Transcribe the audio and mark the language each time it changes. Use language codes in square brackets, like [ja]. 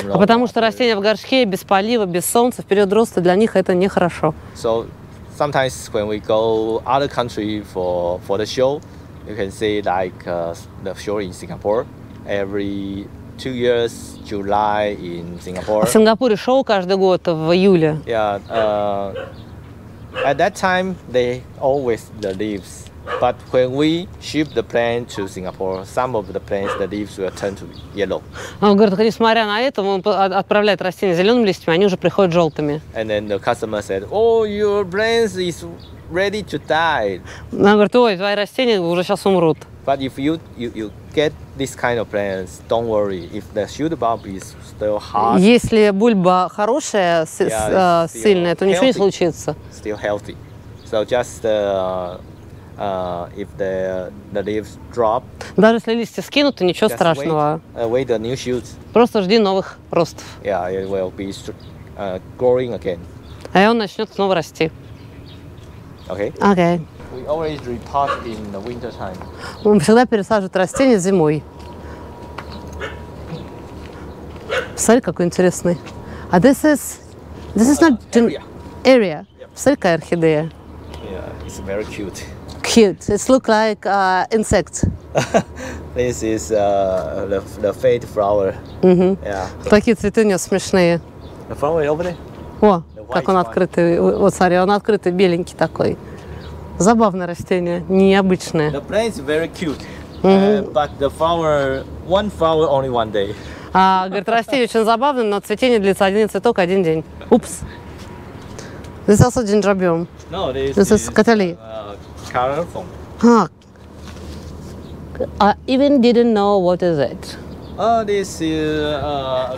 [ru] А потому что растения в горшке без полива, без солнца в период роста для них это нехорошо. [en] So sometimes when we go other country for the show, you can see like the show in Singapore every 2 years, July in Singapore. [ru] В Сингапуре шоу каждый год в июле. [en] Yeah, at that time they always the leaves. But when we ship the plant to Singapore, some of the plants, the leaves will turn to yellow. [ru] Он говорит, несмотря на это, он отправляет растения зелеными листьями, они уже приходят желтыми. [en] And then the customer said, "Oh, your plants is ready to die." [ru] Он говорит, ой, твои растения уже сейчас умрут. [en] But if you get this kind of plants, don't worry. If the shoot bulb is still hard. [ru] Если бульба хорошая, сильная, то ничего не случится. [en] Still healthy. So just if the leaves drop, [ru] даже если листья скинуты, ничего страшного. [en] Wait the new shoots. [ru] Просто жди новых ростов. [en] Yeah, it will be growing again. [ru] А он начнет снова расти. [en] Okay. Okay. We always repot in the winter time. [ru] Он всегда пересаживает растения зимой. Смотри, какой интересный. [en] А this is not area. [ru] Посмотри, yep. Орхидея. [en] Yeah, it's very cute. Cute. It looks like insect. This is the fade flower. Mm-hmm. Yeah. [ru] Такие цветы у неё смешные. [en] The flower over there? [ru] О, как он открытый, вот смотри, он открытый, беленький такой. Забавное растение, необычное. [en] The plant is very cute, but the flower, one flower only one day. [ru] А, говорит, растение очень забавное, но цветение длится один цветок один день. [en] Упс. This is also gingerbium. No, this is [ru] катали. [en] Carrom. I even didn't know what is it. This is.